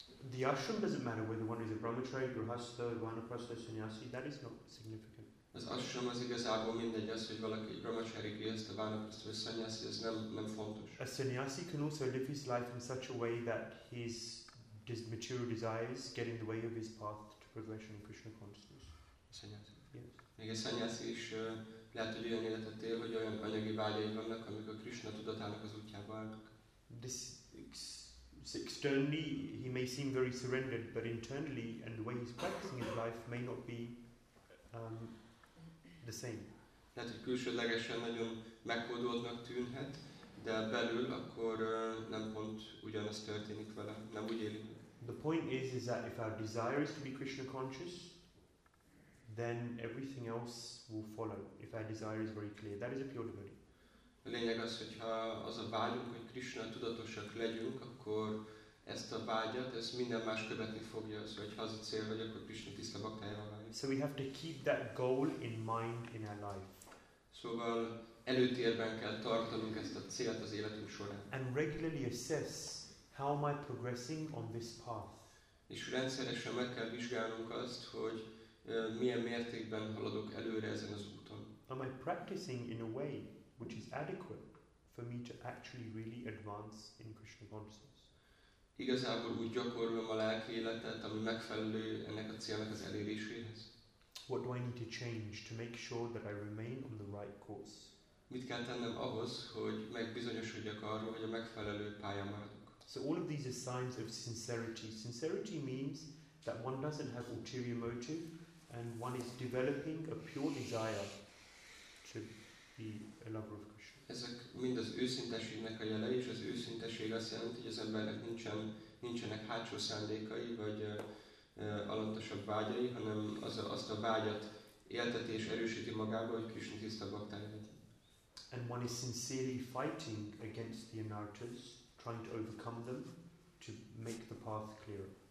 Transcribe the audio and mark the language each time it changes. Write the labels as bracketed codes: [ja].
[en] The ashram doesn't matter whether one is a brahmachari, grihastha, vanaprastha, sannyasi, that is not significant. [hu] Az ashram az igazából mindegy, az, hogy valaki brahmachari, grihastha, vanaprastha, sannyasi, ez nem fontos. [en] A sannyasi can also live his life in such a way that his material desires get in the way of his path to progression in Krishna consciousness. Sanyasi. Yes. [hu] Még a sanyasi is lehet, hogy olyan életet él, hogy olyan anyagi vágyai vannak, amik a Krishna tudatának az útjába állnak. [en] This externally he may seem very surrendered, but internally and the way he's practicing his life may not be the same. [hu] Lehet, hogy külsődlegesen nagyon megkódoltnak tűnhet, de belül akkor nem pont ugyanaz történik vele, nem úgy élünk. [en] The point is that if our desire is to be Krishna conscious, then everything else will follow. If our desire is very clear, that is a pure devotee. [hu] A lényeg az, hogy ha az a vágyunk, hogy Krishna tudatosak legyünk, akkor ezt a vágyat, ez minden más követni fogja, szóval, hogy ha az a cél vagy, akkor Krishna tiszta baktájával válik. [en] So we have to keep that goal in mind in our life. [hu] Szóval előtérben kell tartanunk ezt a célt az életünk során. [en] And regularly assess how am I progressing on this path. [hu] És rendszeresen meg kell vizsgálnunk azt, hogy milyen mértékben haladok előre ezen az úton. [en] Am I practicing in a way which is adequate for me to actually really advance in Krishna consciousness? [hu] Igazából úgy gyakorlom a lelki életet, ami megfelelő ennek a célnak az eléréséhez. [en] What do I need to change to make sure that I remain on the right course? [hu] Mit kell tennem ahhoz, hogy megbizonyosodjak arról, hogy a megfelelő pályán maradok? [en] So all of these are signs of sincerity. Sincerity means that one doesn't have ulterior motive and one is developing a pure desire to be a lover of Krishna. [hu] Ezek mind az őszinteségnek a jele, és az őszinteség azt jelenti, hogy az embernek nincsenek hátsó szándékai, vagy alantosabb vágyai, hanem azt a vágyat élteti és erősíti magába, hogy Krishna tiszta baktája legyen. [en] And one is sincerely fighting against the anartas, trying to overcome them, to make the path clearer.